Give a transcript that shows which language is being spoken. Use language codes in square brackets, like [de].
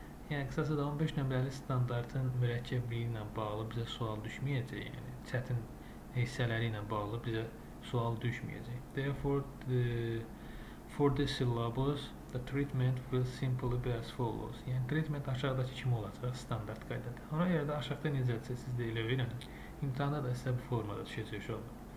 [az] Yəni, kısaca da 15 nömrəli standartın mürəkkəbliyi ilə bağlı bizə sual düşməyəcək. Yəni, çətin hissələri ilə bağlı bizə sual düşməyəcək. [en] Therefore, for the syllabus, the treatment will simply be as follows. [az] Yəni, treatment aşağıdakı kimi olacaq standart qaydada. Ona görə də aşağıda necə siz deyilə verin. İmtahanda da sizə bu formada düşəcək şey olur.